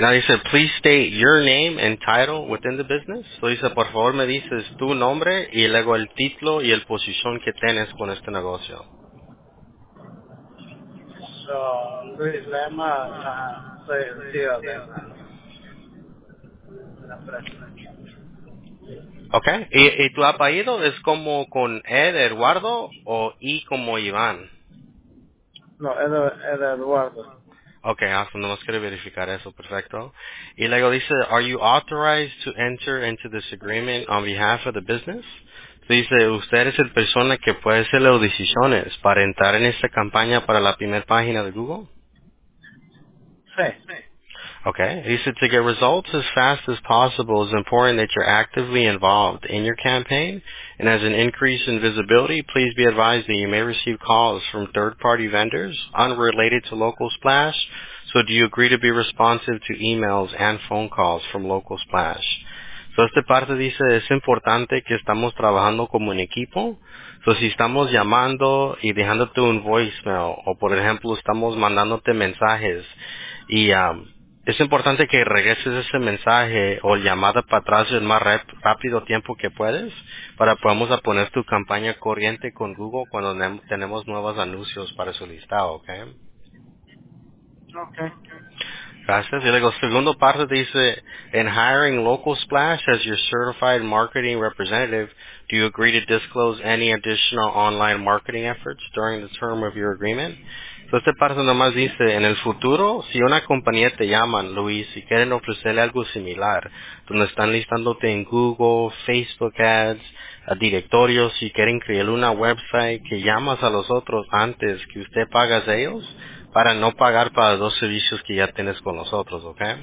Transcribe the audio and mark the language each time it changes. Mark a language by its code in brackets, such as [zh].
[en] Now he said, please state your name and title within the business. So he said, [es] por favor, me dices tu nombre y luego el título y el posición que tienes con este negocio. So, Luis Lema, soy el tío de la empresa. Okay. ¿Y tu apellido es como con E de Eduardo o I como Iván? No, era Eduardo. [en] Okay, awesome. [es] Nomás quiero verificar eso. Perfecto. Y luego dice, [en] are you authorized to enter into this agreement on behalf of the business? [es] Dice, usted es el persona que puede hacer las decisiones para entrar en esta campaña para la primera página de Google? Sí. [en] Okay. [es] Dice, [en] to get results as fast as possible, it's important that you're actively involved in your campaign. And as an increase in visibility, please be advised that you may receive calls from third-party vendors unrelated to Local Splash. So do you agree to be responsive to emails and phone calls from Local Splash? [es] So esta parte dice, es importante que estamos trabajando como un equipo. So si estamos llamando y dejándote un voicemail, o por ejemplo, estamos mandándote mensajes y, es importante que regreses ese mensaje o llamada para atrás el más rápido tiempo que puedes para podamos poner tu campaña corriente con Google cuando tenemos nuevos anuncios para su listado, ¿ok? [en] Ok. [es] Gracias. Y luego, segundo parte dice, [en] in hiring Local Splash as your certified marketing representative, do you agree to disclose any additional online marketing efforts during the term of your agreement? [es] Entonces, esta parte nomás dice, en el futuro, si una compañía te llama, Luis, y quieren ofrecerle algo similar, donde están listándote en Google, Facebook Ads, a directorios, si quieren crear una website, que llamas a los otros antes que usted pagas a ellos, para no pagar para los dos servicios que ya tienes con nosotros, ¿ok?